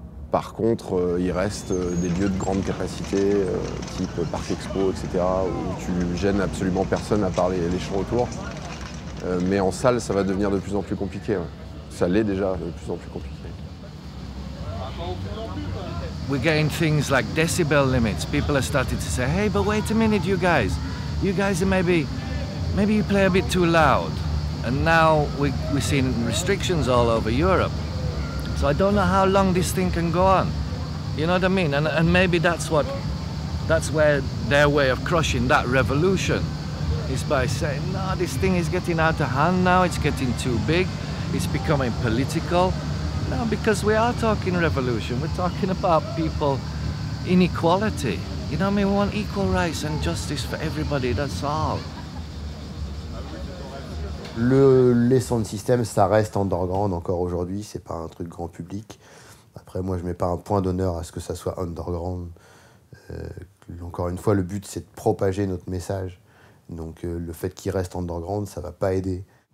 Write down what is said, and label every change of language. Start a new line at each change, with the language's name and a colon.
French: Par contre, il reste des lieux de grande capacité, type Parc Expo, etc., où tu gênes absolument personne à part les chants autour. Mais en salle, ça va devenir de plus en plus compliqué. Ça l'est déjà de plus en plus compliqué.
English: We're getting things like decibel limits. People are starting to say, hey, but wait a minute, you guys are maybe you play a bit too loud. And now we're seeing restrictions all over Europe. So I don't know how long this thing can go on. You know what I mean? And maybe that's where their way of crushing that revolution is, by saying, no, this thing is getting out of hand now, it's getting too big, it's becoming political. No, because we are talking revolution, we're talking about people, inequality. You know what I mean? We want equal rights and justice for everybody, that's all.
French: Les sound systems, ça reste underground encore aujourd'hui, c'est pas un truc grand public. Après, moi, je mets pas un point d'honneur à ce que ça soit underground. Encore une fois, le but, c'est de propager notre message. Donc, le fait qu'il reste underground, ça va pas aider.